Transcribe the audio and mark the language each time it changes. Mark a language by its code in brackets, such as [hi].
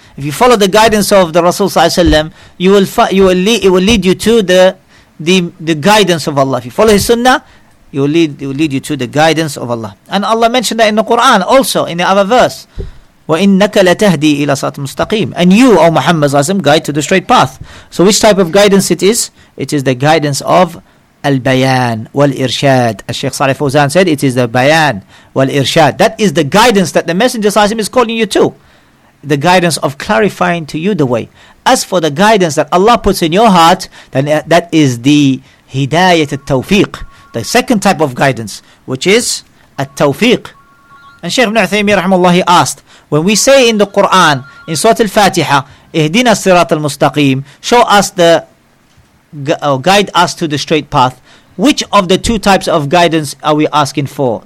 [en] If you follow the guidance of the Rasul sallallahu alaihi wasallam, it will lead you to the guidance of Allah. If you follow his sunnah, it will lead you to the guidance of Allah. And Allah mentioned that in the Quran also, in the other verse, [ar] وَإِنَّكَ لَتَهْدِي إِلَى صَرَاطٍ مُسْتَقِيمٍ. [en] And you, O Muhammad, guide to the straight path. So which type of guidance it is? It is the guidance of [ar] البيان والإرشاد. الشيخ صالح فوزان [en] said it is the [ar] بيان والإرشاد. [en] That is the guidance that the Messenger صلى الله عليه وسلم is calling you to. The guidance of clarifying to you the way. As for the guidance that Allah puts in your heart, then that is the هداية التوفيق. The second type of guidance, which is التوفيق. And Shaykh ibn Uthaymeen رحمه الله asked, when we say in the Quran, in Surah Al-Fatiha, [ar] اهدنا الصراط المستقيم, [en] show us the guide us to the straight path, which of the two types of guidance are we asking for?